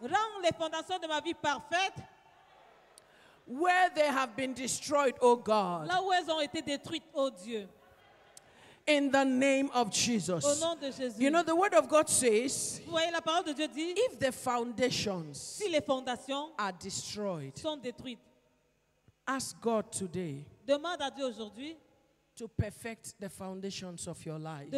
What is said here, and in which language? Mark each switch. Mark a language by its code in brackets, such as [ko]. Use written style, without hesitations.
[fr] Rends les fondations de ma vie parfaites. [en] Where they have been destroyed, oh God. [fr] Là où elles ont été détruites, oh Dieu. [en] In the name of Jesus. [fr] Au nom de Jésus. [en] You know, the word of God says, [fr] vous voyez, la parole de Dieu dit, [en] if the foundations, [fr] si les fondations [en] are destroyed, [fr] sont détruites, [en] ask God today, [fr] demande à Dieu aujourd'hui, [en] to perfect the foundations of your life.